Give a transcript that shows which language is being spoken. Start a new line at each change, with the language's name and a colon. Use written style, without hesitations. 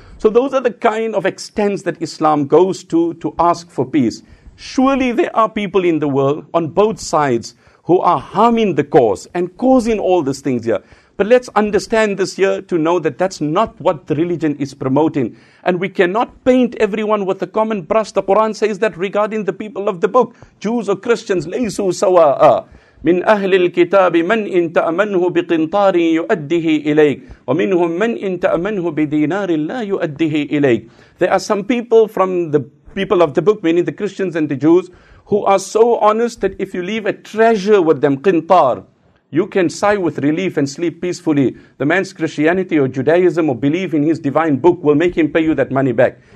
English: So those are the kind of extents that Islam goes to ask for peace. Surely there are people in the world on both sides who are harming the cause and causing all these things here. But let's understand this here to know that that's not what the religion is promoting. And we cannot paint everyone with a common brush. The Quran says that regarding the people of the book, Jews or Christians,
Arabic: لَيْسُوا سَوَاءَ مِنْ أَهْلِ الْكِتَابِ مَنْ إِنْ تَأْمَنْهُ بِقِنْطَارٍ يُؤَدِّهِ إِلَيْكَ وَمِنْهُمْ مَنْ إِنْ تَأْمَنْهُ بِدِينَارٍ لَا يُؤَدِّهِ إِلَيْكَ.
English: There are some people from the people of the book, meaning the Christians and the Jews, who are so honest that if you leave a treasure with them, qintar, you can sigh with relief and sleep peacefully. The man's Christianity or Judaism or belief in his divine book will make him pay you that money back.